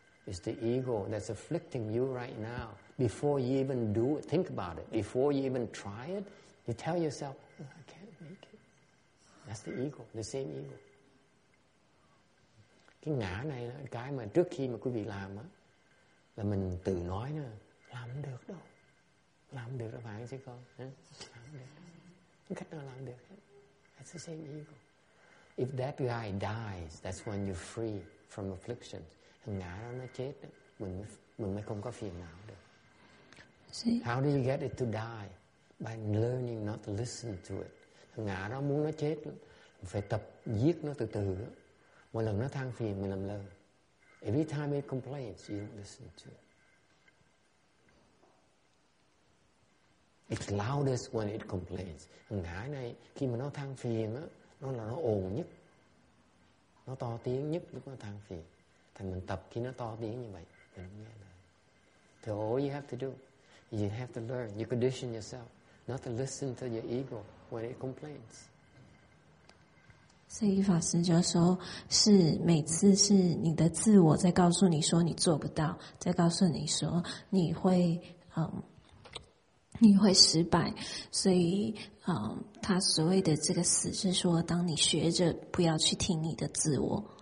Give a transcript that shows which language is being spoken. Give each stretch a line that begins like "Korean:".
English: It's the ego that's afflicting you right now. Before you even do it, think about it. Before you even try it, you tell yourself, oh, I can't make it. That's the ego, the same ego.
Vietnamese: Cái ngã này là cái mà trước khi mà quý vị làm á, là mình tự nói nè, làm được đâu. Làm được đâu, bạn chứ con. Làm được. Không cách nào làm được.
English: That's the same ego. If that guy dies, that's when you're free from affliction.
Vietnamese: Ngã đó nó chết, mình mới không có phiền não được.
English: How do you get it to die? By learning not to listen to it.
Vietnamese: Ngã đó muốn nó chết, phải tập giết nó từ từ. Mỗi lần nó than phiền, mình làm lơ.
English: Every time it complains, you don't listen to it. It's loudest when it complains.
Vietnamese: Ngã này, khi mà nó than phiền á, nó là nó ồn nhất, nó to tiếng nhất lúc nó than phiền. Thành mình tập khi nó to tiếng như vậy mình không nghe lời.
English: So all you have to do, you have to learn, you condition yourself not to listen to your ego when it complains.
Chinese: 所以法师就说，是每次是你的自我在告诉你说你做不到，在告诉你说你会失败。所以，他所谓的这个死是说，当你学着不要去听你的自我。